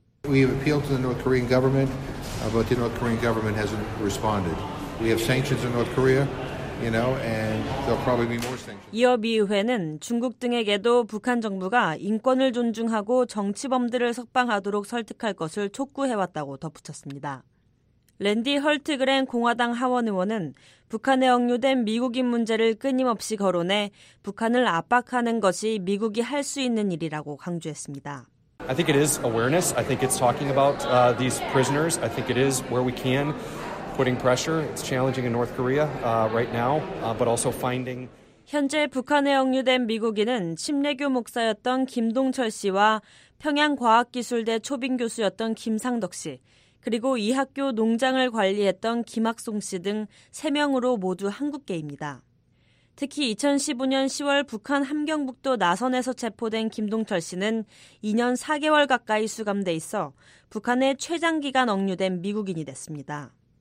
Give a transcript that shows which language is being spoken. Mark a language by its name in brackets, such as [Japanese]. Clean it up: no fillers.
[English] We have appealed to the North Korean government, but the North Korean government hasn't responded. We have sanctions on North Korea, you know, and there'll probably be more sanctions. [Korean] 이어 미 의회는 중국 등에게도 북한 정부가 인권을 존중하고 정치범들을 석방하도록 설득할 것을 촉구해왔다고 덧붙였습니다. 랜디 헐트그랜 공화당 하원 의원은 북한에 억류된 미국인 문제를 끊임없이 거론해 북한을 압박하는 것이 미국이 할 수 있는 일이라고 강조했습니다. [English] I think it is awareness. I think it's talking about these prisoners. I think it is where we can putting pressure. It's challenging in North Korea right now, but also finding [Korean] 현재 북한에 억류된 미국인은 침례교 목사였던 김동철 씨와 평양과학기술대 초빙 교수였던 김상덕 씨, 그리고 이 학교 농장을 관리했던 김학송 씨 등 3명으로 모두 한국계입니다. 특히 2015년 10월 북한 함경북도 나선에서 체포된 김동철 씨는 2년 4개월 가까이 수감돼 있어 북한의 최장기간 억류된 미국인이 됐습니다.